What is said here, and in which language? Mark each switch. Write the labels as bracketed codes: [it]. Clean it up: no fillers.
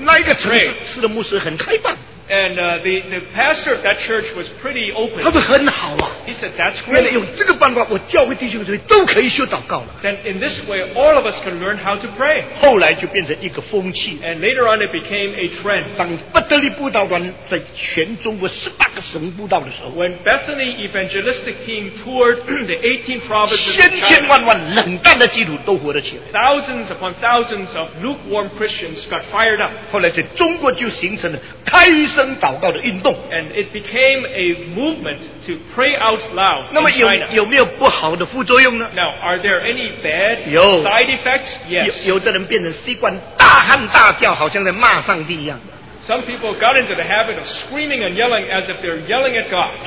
[zh] 那个城市的牧师很开放, [en] and the pastor of that church was pretty open. [zh] 他说很好啊, [en] he said, that's great. Then in this way, all of us can learn how to pray. And later on, it became a trend. When Bethany evangelistic team toured the 18 provinces of China, thousands upon thousands of lukewarm Christians got fired up. And it became a movement to pray out loud in China. [zh] 有没有不好的副作用呢? [en] Now, are there any bad [zh] 有, [en] side effects? Yes. [zh] 有的人变成习惯大喊大叫好像在骂上帝一样的。 [en] Some people got into the habit of screaming and yelling as if they're yelling at God.